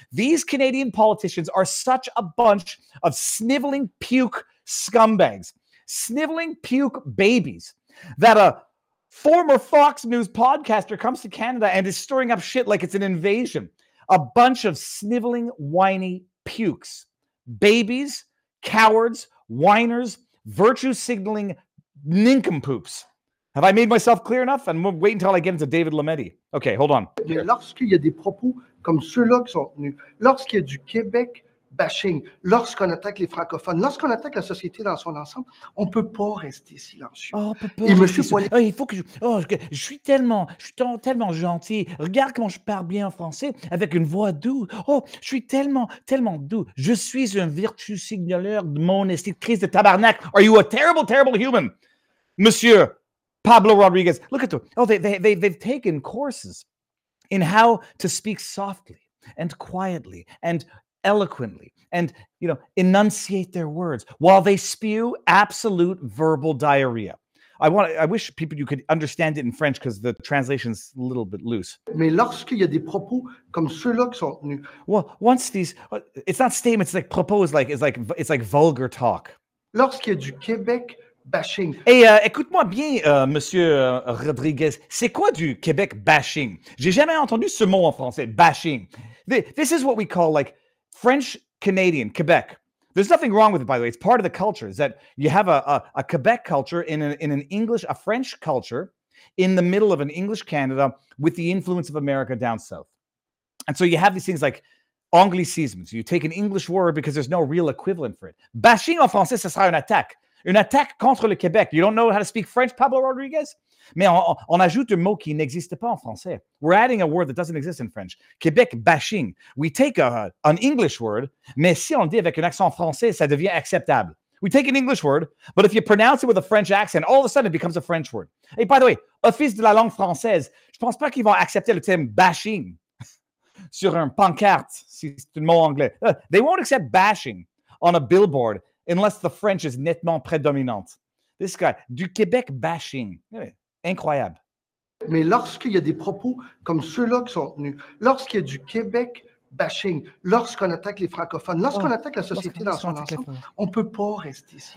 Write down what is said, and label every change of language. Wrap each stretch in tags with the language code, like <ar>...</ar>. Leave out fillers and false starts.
<en>These Canadian politicians are such a bunch of sniveling puke scumbags, sniveling puke babies, that a former Fox News podcaster comes to Canada and is stirring up shit like it's an invasion. A bunch of sniveling, whiny pukes. Babies, cowards, whiners, virtue-signaling nincompoops. Have I made myself clear enough? And we'll wait until I get into David Lametti. Okay, hold on. Here.</en> <fr>Lorsqu'il y a des propos comme ceux-là qui sont tenus, lorsqu'il y a du Québec bashing, lorsqu'on attaque les francophones, lorsqu'on attaque la société dans son ensemble, on peut pas rester silencieux. Oh, papa, je suis tellement gentil. Regarde comment je parle bien en français, avec une voix douce. Oh, je suis tellement, tellement doux. Je suis un virtue signaleur de mon esthétique, crise de tabarnak.</fr> <en>Are you a terrible, terrible human, Monsieur Pablo Rodriguez? Look at them. Oh, they've taken courses in how to speak softly and quietly and eloquently, and enunciate their words while they spew absolute verbal diarrhea. I wish people, you could understand it in French because the translation's a little bit loose.</en> <fr>Mais lorsqu'il y a des propos comme ceux-là qui sont tenus.</fr> <en>Well, once these, it's not statements, it's like propos, it's like vulgar talk.</en> <fr>Lorsqu'il y a du Québec bashing. Et écoute-moi bien, Monsieur Rodriguez, c'est quoi du Québec bashing? J'ai jamais entendu ce mot en français, bashing.</fr> <en>This is what we call like French Canadian Quebec. There's nothing wrong with it, by the way. It's part of the culture. Is that you have a Quebec culture in a French culture in the middle of an English Canada with the influence of America down south, and so you have these things like anglicisms. You take an English word because there's no real equivalent for it.</en> <fr>Bashing en français, ce sera une attaque contre le Québec.</fr> <en>You don't know how to speak French, Pablo Rodriguez?</en> <fr>Mais on ajoute un mot qui n'existe pas en français.</fr> <en>We're adding a word that doesn't exist in French.</en> <fr>Québec bashing.</fr> <en>We take an English word,</en> <fr>mais si on dit avec un accent français, ça devient acceptable.</fr> <en>We take an English word, but if you pronounce it with a French accent, all of a sudden it becomes a French word. Hey, by the way,</en> <fr>Office de la langue française, je pense pas qu'ils vont accepter le terme bashing sur un pancarte, si c'est un mot anglais.</fr> <en>They won't accept bashing on a billboard unless the French is</en> <fr>nettement prédominante.</fr> <en>This guy,</en> <fr>du Québec bashing. Incroyable. Mais lorsqu'il y a des propos comme ceux-là qui sont tenus, lorsqu'il y a du Québec bashing, lorsqu'on attaque les francophones, lorsqu'on attaque la société dans son ensemble, on peut pas rester ici.</fr>